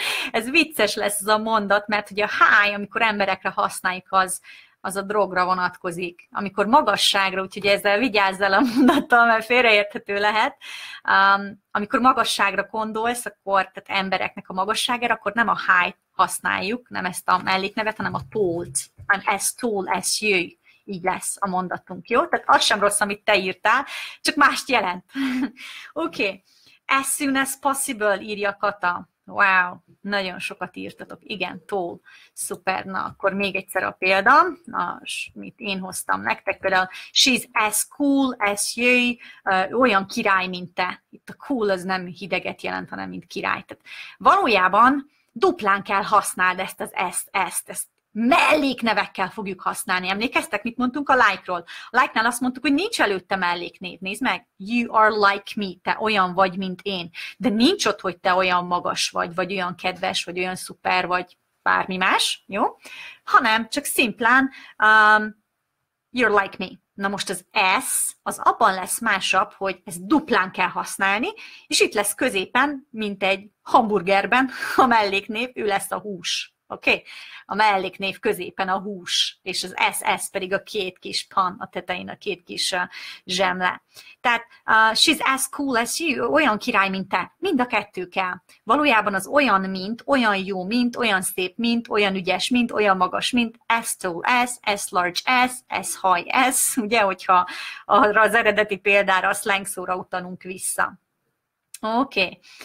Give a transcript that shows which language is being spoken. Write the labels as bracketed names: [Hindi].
[Hungarian] Ez vicces lesz az a mondat, mert ugye a haj, amikor emberekre használjuk, az a drogra vonatkozik, amikor magasságra, úgyhogy ezzel vigyázz el a mondattal, mert félreérthető lehet, amikor magasságra gondolsz, akkor, tehát embereknek a magasságára, akkor nem a height használjuk, nem ezt a melléknevet, hanem a tallt, [English] I'm as tall as you, [Hungarian] így lesz a mondatunk, jó? Tehát az sem rossz, amit te írtál, csak mást jelent. Oké, okay. [English] As soon as possible, [Hungarian] írja Kata. Wow, nagyon sokat írtatok. Igen, tól. Szuper. Na, akkor még egyszer a példa. Na, mit én hoztam nektek. Például, [English] she's as cool as you. [Hungarian] Olyan király, mint te. Itt a cool az nem hideget jelent, hanem mint király. Tehát valójában duplán kell használd ezt az ezt. Melléknevekkel fogjuk használni. Emlékeztek, mit mondtunk a like-ról? A like-nál azt mondtuk, hogy nincs előtte melléknév. Nézd meg, [English] you are like me, [Hungarian] te olyan vagy, mint én. De nincs ott, hogy te olyan magas vagy, vagy olyan kedves, vagy olyan szuper, vagy bármi más, jó? Hanem csak szimplán, [English] you're like me. [Hungarian] Na most az S, az abban lesz másabb, hogy ezt duplán kell használni, és itt lesz középen, mint egy hamburgerben a melléknév, ő lesz a hús. Oké. Okay. A melléknév középen a hús, és az SS pedig a két kis pan a tetején, a két kis zsemle. Tehát [English] she's as cool as you, [Hungarian] olyan király, mint te. Mind a kettő kell. Valójában az olyan, mint, olyan jó, mint, olyan szép, mint, olyan ügyes, mint, olyan magas, mint, [English] as tall as, as large as, as high as, [Hungarian] ugye, hogyha arra az eredeti példára, a slang szóra utalunk vissza. Oké. Okay.